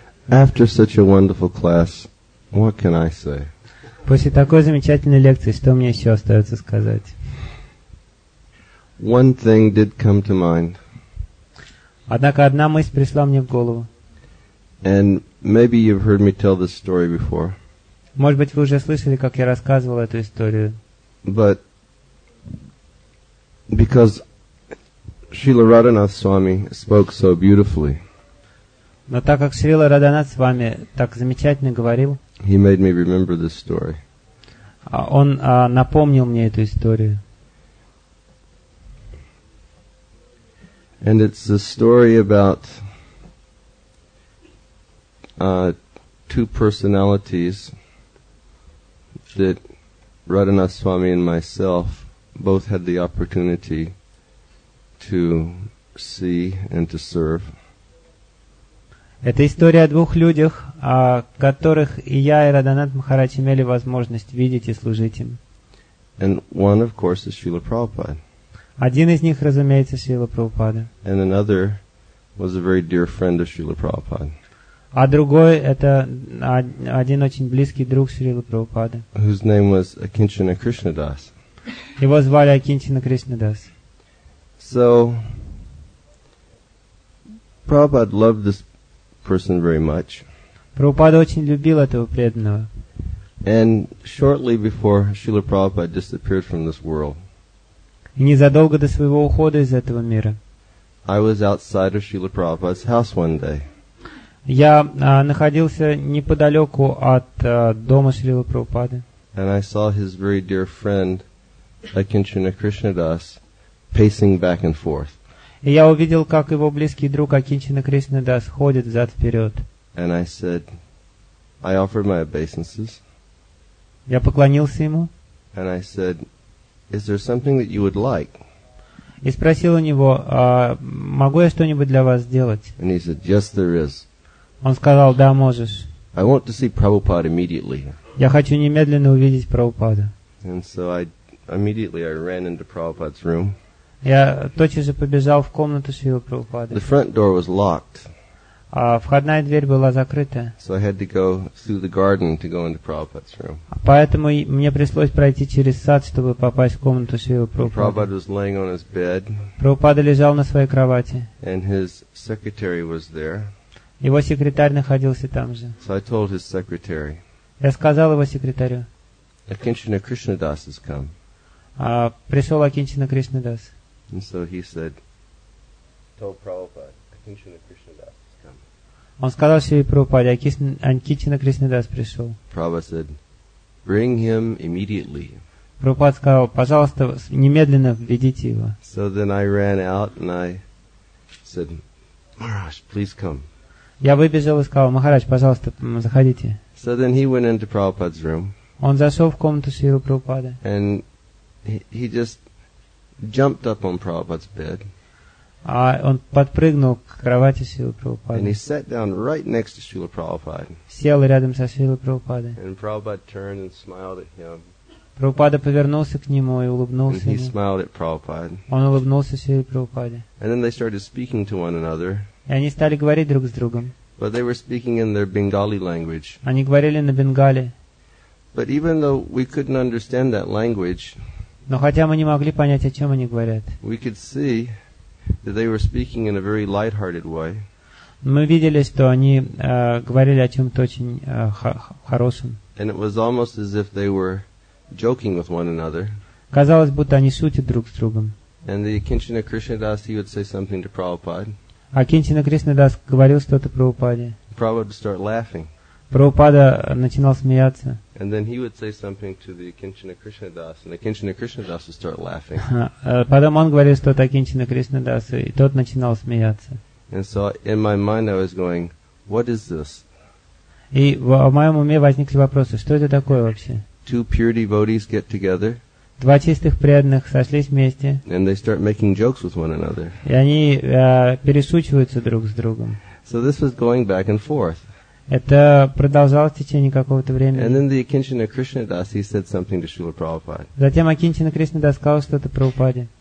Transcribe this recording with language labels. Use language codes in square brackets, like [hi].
[en] After such a wonderful class, what can I say? [ru] После такой замечательной лекции, что мне еще остается сказать? [en] One thing did come to mind. [ru] Однако одна мысль пришла мне в голову. [en] And maybe you've heard me tell this story before. [ru] Может быть, вы уже слышали, как я рассказывал эту историю. [en] But because Srila Radhanath Swami spoke so beautifully. [ru] Но так как Шрила Раданат с вами так замечательно говорил, [en] he made me remember this story. [ru] Он напомнил мне эту историю. [en] And it's a story about two personalities that Radhanath Swami and myself both had the opportunity to see and to serve. [ru] Это история о двух людях, о которых и я, и Радханат Махарадж имели возможность видеть и служить им. [en] And one, of course, is Srila Prabhupada. [ru] Один из них, разумеется, Шрила Прабхупада. [en] And another was a very dear friend of Srila Prabhupada. [ru] А другой это один очень близкий друг Шрилы Прабхупады. [en] Whose name was Akinchana Krishnadas. [ru] Его звали Акинчана Кришнадас. [en] So Prabhupada loved this person very much. [ru] Прабхупада очень любил этого преданного. [en] And shortly before Srila Prabhupada disappeared from this world. [ru] И незадолго до своего ухода из этого мира. [en] I was outside of Srila Prabhupada's house one day. [ru] Я находился неподалеку от дома Шрилы Прабхупады. [en] And I saw his very dear friend, Akinchana Krishnadas, pacing back and forth. [ru] И я увидел, как его близкий друг Акинчана Кришнадас ходит взад-вперед. [en] And I said, I offered my obeisances. [ru] Я поклонился ему. [en] And I said, is there something that you would like? [ru] И спросил у него, могу я что-нибудь для вас сделать? [en] And he said, yes, there is. [ru] Он сказал, да, можешь. [en] I want to see Prabhupada immediately. [ru] Я хочу немедленно увидеть Прабхупада. [en] And so I immediately ran into Prabhupada's room. [ru] Я тотчас же побежал в комнату Шрилы Прабхупады. [en] The front door was locked. [ru] А входная дверь была закрыта. [en] So I had to go through the garden to go into Prabhupada's room. [ru] Поэтому мне пришлось пройти через сад, чтобы попасть в комнату Шрилы Прабхупады. [en] Prabhupada was laying on his bed. [ru] Прабхупада лежал на своей кровати. [en] And his secretary was there. [ru] Его секретарь находился там же. [en] So I told his secretary. [ru] Я сказал его секретарю. [en] Akinchana Krishnadas has come. [ru] Пришел Акинчана Кришнадас. [en] And so he said, told Prabhupada, Akinchana Krishnadas. [ru] Он сказал Шри Прабхупаде, Акинчана Кришнадас пришел. [en] Prabhupada said, bring him immediately. [ru] Прабхупада сказал, пожалуйста, немедленно введите его. [en] So then I ran out and I said, Maharaj, please come. [ru] Я выбежал и сказал, Махарадж, пожалуйста, заходите. [en] So then he went into Prabhupada's room. [ru] Он зашел в комнату Шри Прабхупады. [en] And he just jumped up on Prabhupada's bed. [ru] А он подпрыгнул к кровати Шрилы Прабхупады. [en] And he sat down right next to Srila Prabhupada. [ru] Сел рядом со Шрилой Прабхупадой. [en] And Prabhupada turned and smiled at him. [ru] Прабхупада повернулся к нему и улыбнулся. [en] And he smiled at Prabhupada. [ru] Он улыбнулся Шриле Прабхупаде. [en] And then they started speaking to one another. [ru] И они стали говорить друг с другом. [en] But they were speaking in their Bengali language. [ru] Они говорили на бенгали. [en] But even though we couldn't understand that language, [ru] но хотя мы не могли понять, о чем они говорят, [en] we could see that they were speaking in a very light-hearted way. [ru] Мы видели, что они говорили о чем-то очень хорошем. [en] And it was almost as if they were joking with one another. [ru] Казалось, будто они шутят друг с другом. [en] And the Akinchana Krishnadas, he would say something to Prabhupada. [ru] Акинчана Кришнадас говорил что-то Прабхупаде. [en] Prabhupada would start laughing. [ru] Прабхупада начинал смеяться. [en] And then he would say something to the Akinchana Krishnadas, and Akinchana Krishnadas would start laughing. [ru] Потом он говорил что-то Акинчана Кришнадасу, и тот начинал смеяться. [en] And so in my mind I was going, what is this? [ru] И в моем уме возникли вопросы, что это такое вообще? [en] Two pure devotees get together. [ru] Два чистых преданных сошлись вместе. [en] And they start making jokes with one another. [ru] И они перешучиваются друг с другом. [en] So this was going back and forth. [ru] Это продолжалось в течение какого-то времени. [en] And then the Akinchana Krishnadas, he said something to Srila Prabhupada. [ru] Затем Акинчана Кришнадас сказал что-то Прабхупаде.